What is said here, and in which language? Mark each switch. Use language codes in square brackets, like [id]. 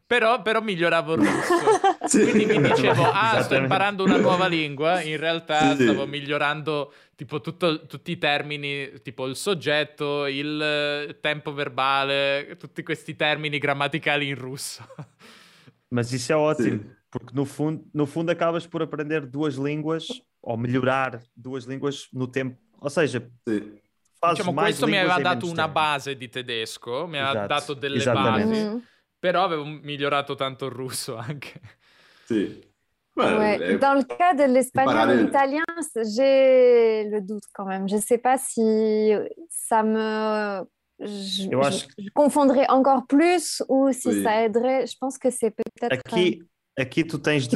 [it] Però miglioravo il russo. Sì. Quindi mi dicevo, sto imparando una nuova lingua. In realtà stavo migliorando tipo tutti i termini, tipo il soggetto, il tempo verbale, tutti questi termini grammaticali in russo. [pt] Ma isso è ótimo, perché no fundo acabas por aprender duas línguas, ou melhorar duas línguas no tempo. Ou seja... Sim. [it] Diciamo, questo mi aveva dato una base di tedesco, mi aveva dato delle basi, però avevo migliorato tanto il russo anche. Sì. [fr] Dans le cas de l'espagnol et l'italien, j'ai le doute quand même. Je ne sais pas si ça me... Je confondrai encore plus ou si ça aiderait. Je pense que c'est peut-être... [pt] Aqui tu tens de